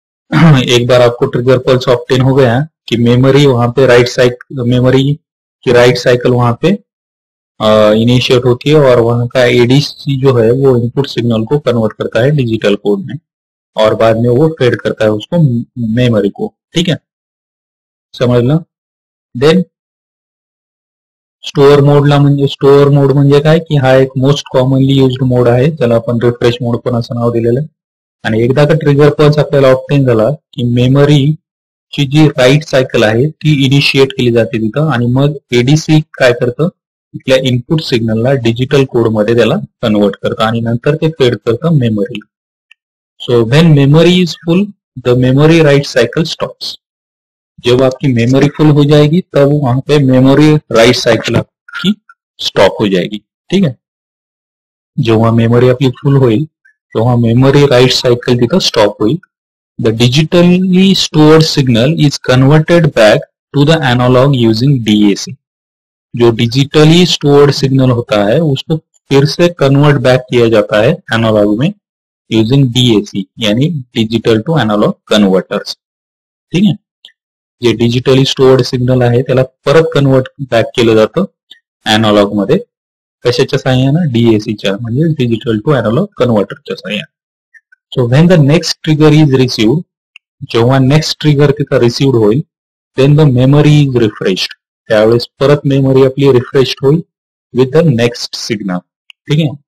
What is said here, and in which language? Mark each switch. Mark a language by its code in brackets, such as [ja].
[hi] एक बार आपको trigger pulse obtain हो गया कि मेमोरी वहां पे राइट साइड मेमोरी कि राइट साइकिल वहां पे इनिशिएट होती है, और वहां का एडीसी जो है वो इनपुट सिग्नल को कन्वर्ट करता है डिजिटल कोड में, और बाद में वो फेड करता है उसको मेमोरी को, ठीक है, समझ लो। [mr] देन स्टोर मोड ला, म्हणजे स्टोर मोड म्हणजे काय, कि हा एक मोस्ट कॉमनली यूज्ड मोड आहे, ज्याला आपण रिफ्रेश मोड पण असं नाव दिलेलं आहे। आणि एकदा का ट्रिगर पल्स आपल्याला ऑब्टेन झाला की मेमरी ची जी राईट सायकल आहे ती इनिशिएट केली जाते तिथं, आणि मग एडीसी काय करतं, इथल्या इनपुट सिग्नलला डिजिटल कोड मध्ये त्याला कन्वर्ट करतं आणि नंतर ते फेड करतं मेमरीला। [en] So when memory is full the memory write cycle stops. [hi] जेव्हा आपकी मेमरी फुल हो जाएगी तब वहां पे मेमरी राईट सायकल आपकी स्टॉप हो जाएगी, ठीक है। [mr] जेव्हा मेमरी आपली फुल होईल तेव्हा मेमरी राईट सायकल तिथं स्टॉप होईल। [en] The digitally stored signal is converted back to the analog using DAC. [hi] जो डिजिटली स्टोअर्ड सिग्नल होता है उसको फिर से कन्वर्ट बैक किया जाता है एनॉलॉग में यूजिंग डीएसी, यानी डिजिटल टू एनॉलॉग कन्वर्टर्स, ठीक है। [mr] जे डिजिटली स्टोअर्ड सिग्नल आहे त्याला परत कन्वर्ट बॅक केलं जातं एनॉलॉग मध्ये, कशाच्या सहाय्याने, डीएसीच्या, म्हणजे डिजिटल टू एनॉलॉग कन्वर्टरच्या सहाय्याने। [en] so when the next trigger is receive, [mr] जेव्हा नेक्स्ट ट्रिगर तिथं रिसीव्ह होईल [en] then the memory is refreshed, [mr] त्यावेळेस परत मेमरी आपली रिफ्रेश्ड होईल [en] with the next signal, [mr] ठीक आहे।